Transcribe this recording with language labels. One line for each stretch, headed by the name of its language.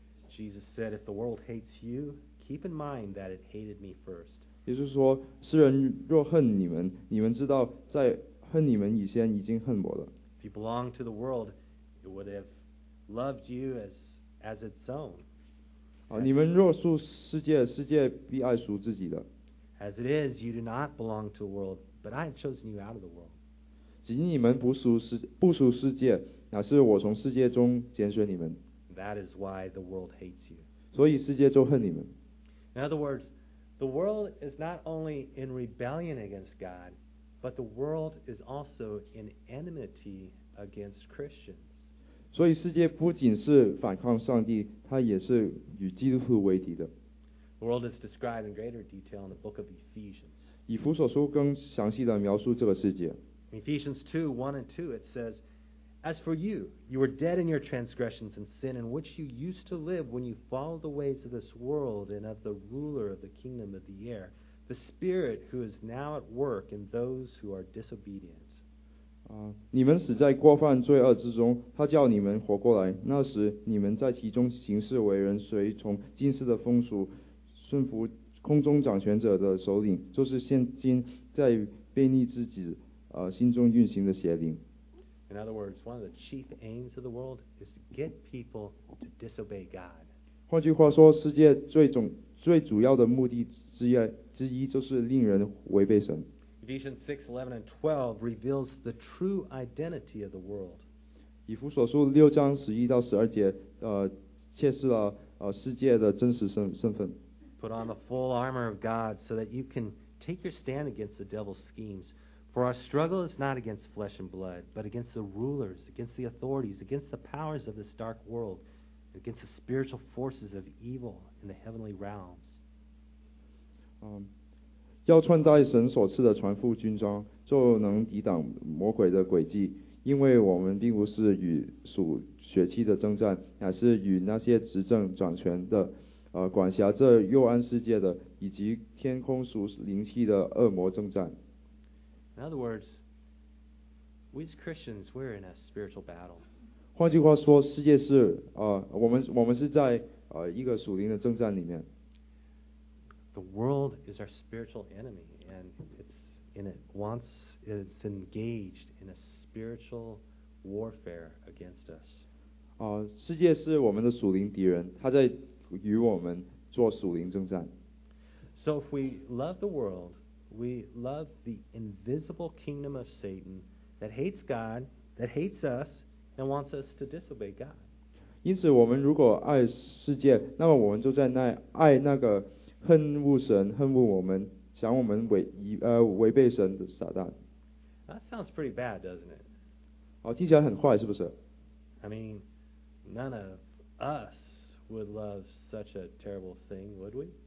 English: Jesus said, "If the world hates you, keep in mind that it hated me first."
Chinese: 也就是说，世人若恨你们，你们知道在恨你们以前已经恨我了。
English: If you belong to the world, it would have loved you as its own.
Chinese: 你们若属世界，世界必爱属自己的。
English: As it is, you do not belong to the world. But I have chosen you out of the world.
Chinese: 只因你们不属世界，乃是我从世界中拣选你们。
English: That is why the world hates you.
Chinese: 所以世界就恨你们。
English: In other words, the world is not only in rebellion against God, but the world is also in enmity against Christians.
Chinese: 所以世界不仅是反抗上帝，它也是与基督徒为敌的。
English: The world is described in greater detail in the book of Ephesians.
Chinese: 以弗所书更详细地描述这个世界。
English: Ephesians 2, 1 and 2, it says, As for you, you were dead in your transgressions and sin in which you used to live when you followed the ways of this world and of the ruler of the kingdom of the air, the spirit who is now at work in those who are disobedient.
Chinese: 你们死在过犯罪恶之中，他叫你们活过来，那时你们在其中行事为人，随从今世的风俗，顺服空中掌权者的首领，就是现今在悖逆自己心中运行的邪灵。
English: In other words, one of the chief aims of the world is to get people to disobey God.
Chinese: 换句话说，世界最主要的目的之一就是令人违背神。
English: Ephesians 6, 11 and 12 reveals the true identity of the world.
Chinese: 以弗所书六章十一到十二节揭示了世界的真实身份。
English: Put on the full armor of God so that you can take your stand against the devil's schemes. For our struggle is not against flesh and blood, but against the rulers, against the authorities, against the powers of this dark world, against the spiritual forces of evil in the heavenly realms.
Chinese: 要穿戴神所赐的全副军装，就能抵挡魔鬼的诡计。因为我们并不是与属血气的征战，乃是与那些执政掌权的管辖这幽暗世界的以及天空属灵气的恶魔征战。
English: In other words, we as Christians, we're in a spiritual battle.
Chinese: 换句话说，世界是我们是在一个属灵的征战里面。
English: The world is our spiritual enemy, and it's in it once it's engaged in a spiritual warfare against us.
Chinese: 世界是我们的属灵敌人，他在与我们做属灵征战。
English: So if we love the world, we love the invisible kingdom of Satan that hates God, that hates us, and wants us to disobey God.
Chinese: 因此，我们如果爱世界，那么我们就在那爱那个恨恶神、恨恶我们、想我们违背神的撒旦。
English: That sounds pretty bad, doesn't it?
Chinese: 听起来很坏，是不是
English: ？I mean, none of us would love such a terrible thing, would we?